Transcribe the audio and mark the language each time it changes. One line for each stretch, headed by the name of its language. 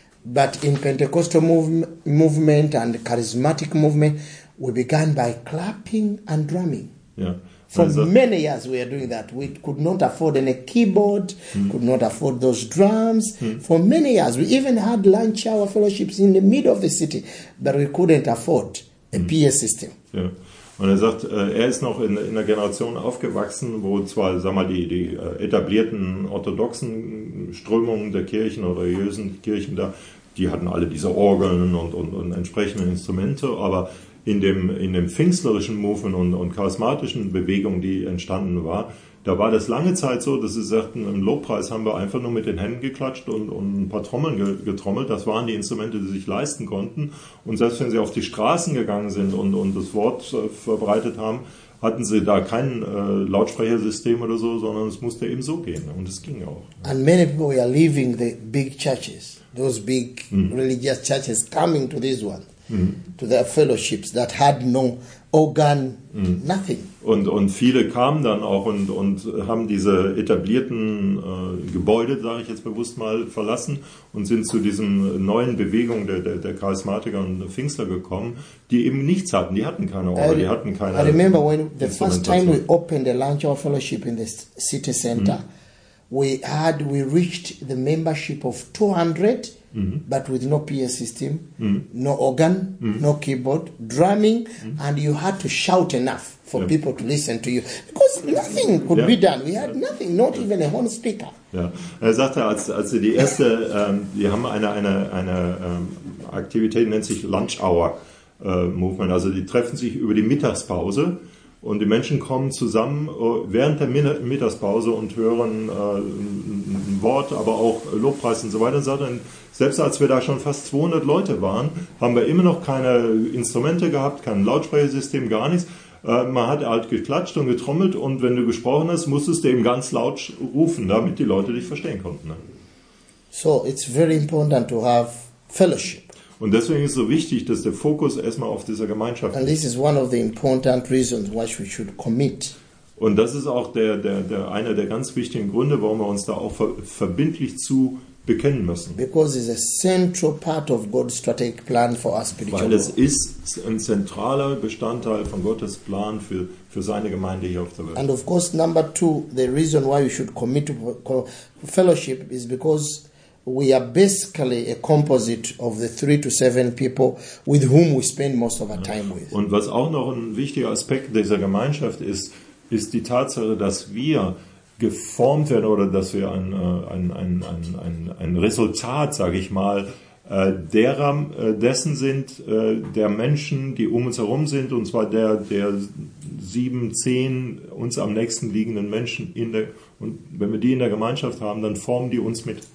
English: But in Pentecostal movement and charismatic movement, we began by clapping and drumming. Yeah. For many years we are doing that. We could not afford any keyboard, could not afford those drums. For many years, we even had lunch hour fellowships in the middle of the city, but we couldn't afford a PA system. Yeah.
German: Und er sagt, er ist noch in einer Generation aufgewachsen, wo zwar, sag mal, die etablierten orthodoxen Strömungen der Kirchen oder religiösen Kirchen da, die hatten alle diese Orgeln und entsprechende Instrumente, aber in dem pfingstlerischen Movement und charismatischen Bewegung, die entstanden war, da war das lange Zeit so, dass sie sagten, im Lobpreis haben wir einfach nur mit den Händen geklatscht und ein paar Trommeln getrommelt. Das waren die Instrumente, die sich leisten konnten. Und selbst wenn sie auf die Straßen gegangen sind und das Wort verbreitet haben, hatten sie da kein Lautsprechersystem oder so, sondern es musste eben so gehen. Und es ging auch.
English: And many people are leaving the big churches, those big religious churches, coming to this one, to their fellowships that had no organ, nothing.
German: Und viele kamen dann auch und haben diese etablierten Gebäude, sage ich jetzt bewusst mal, verlassen und sind zu diesen neuen Bewegungen der Charismatiker und Pfingstler gekommen, die eben nichts hatten. Die hatten keine Orgel, die hatten keine Instrumente.
English: I remember when the first time we opened the lunch hour fellowship in the city center, we reached the membership of 200, but with no PA system, no organ, no keyboard, drumming, and you had to shout enough for people to listen to you. Because nothing could be done. We had nothing, not even a horn speaker.
German: Ja. Er sagte, als die erste, die haben eine Aktivität, nennt sich Lunch Hour Movement, also die treffen sich über die Mittagspause. Und die Menschen kommen zusammen während der Mittagspause und hören ein Wort, aber auch Lobpreis und so weiter. Und selbst als wir da schon fast 200 Leute waren, haben wir immer noch keine Instrumente gehabt, kein Lautsprechersystem, gar nichts. Man hat halt geklatscht und getrommelt und wenn du gesprochen hast, musstest du eben ganz laut rufen, damit die Leute dich verstehen konnten.
English: So, it's very important to have fellowship.
German: Und deswegen ist es so wichtig, dass der Fokus erstmal auf dieser Gemeinschaft ist.
English: And this is one of the important reasons why we should commit.
German: Und das ist auch einer der ganz wichtigen Gründe, warum wir uns da auch verbindlich zu bekennen müssen.
English: Because it's a central part of God's strategic plan for our spiritual.
German: Weil es ist ein zentraler Bestandteil von Gottes Plan für seine Gemeinde hier auf der Welt.
English: And of course, number two, the reason why we should commit to fellowship is because we are basically a composite of the 3 to 7 people with whom we spend most of our time with.
German: Und was auch noch ein wichtiger Aspekt dieser Gemeinschaft ist, ist die Tatsache, dass wir geformt werden oder dass wir ein Resultat, sage ich mal, dessen sind, der Menschen, die um uns herum sind, und zwar der 7, 10 uns am nächsten liegenden Menschen in der, und wenn wir die in der Gemeinschaft haben, dann formen die uns mit.